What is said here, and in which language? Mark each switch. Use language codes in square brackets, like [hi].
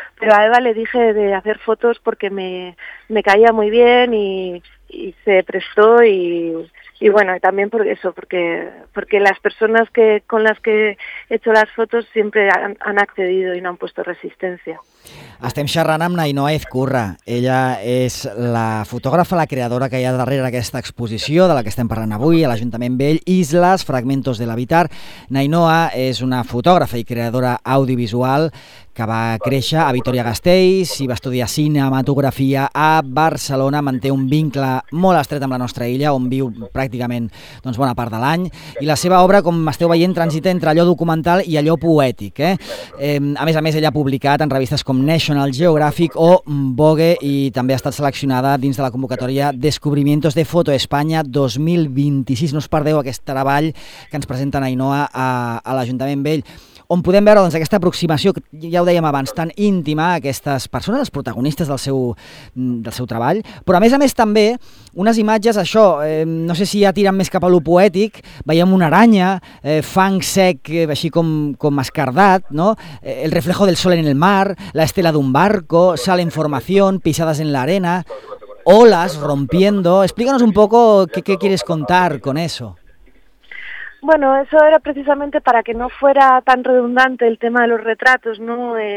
[es] Pero a Eva le dije de hacer fotos porque me caía muy bien y se prestó y bueno, y también por eso, porque las personas con las que he hecho las fotos siempre han accedido y no han puesto resistencia. [ca] Estem xerrant amb Ainhoa Ezcurra. Ella és la fotògrafa, la creadora que hi ha darrere aquesta exposició de la que estem parlant avui a l'Ajuntament Vell, Islas, Fragmentos de l'Habitar. Ainhoa és una fotògrafa i creadora audiovisual que va créixer a Vitoria-Gasteiz i va estudiar cinematografia a Barcelona. Manté un vincle molt estret amb la nostra illa, on viu pràcticament doncs, bona part de l'any. I la seva obra, com esteu veient, transita entre allò documental i allò poètic. A més, ella ha publicat en revistes com National Geographic o Vogue i també ha estat seleccionada dins de la convocatòria Descubrimientos de Foto España 2026. No us perdeu aquest treball que ens presenten a Ainhoa a l'Ajuntament Vell, on podem veure doncs, aquesta aproximació, ja ho dèiem abans, tan íntima a aquestes persones, els protagonistes del seu treball, però a més també unes imatges, això, no sé si ja tiren més cap a lo poètic, veiem una aranya, fang sec, així com escardat, no? [es] El reflejo del sol en el mar, la estela d'un barco, sal en formación, pisadas en la arena, olas rompiendo. Explícanos un poco qué quieres contar con eso. Bueno, eso era precisamente para que no fuera tan redundante el tema de los retratos, ¿no?